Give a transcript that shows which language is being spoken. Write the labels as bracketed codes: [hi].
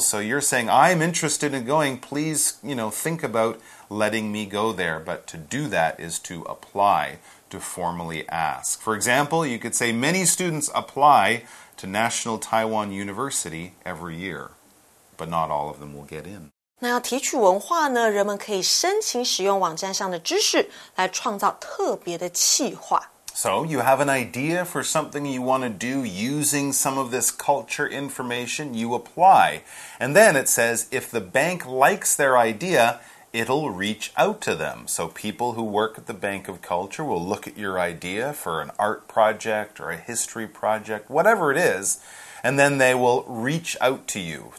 [en] So you're saying, I'm interested in going, please, you know, think aboutletting me go there, but to do that is to apply, to formally ask. For example, you could say many students apply to National Taiwan University every year, but not all of them will get in. [zh] 那要提取文化呢，人们可以申请使用网站上的知识来创造特别的企划。 [en] So you have an idea for something you want to do using some of this culture information, you apply. And then it says if the bank likes their idea,It'll reach out to them. So people who work at the Bank of Culture will look at your idea for an art project or a history project, whatever it is, and then they will reach out to you.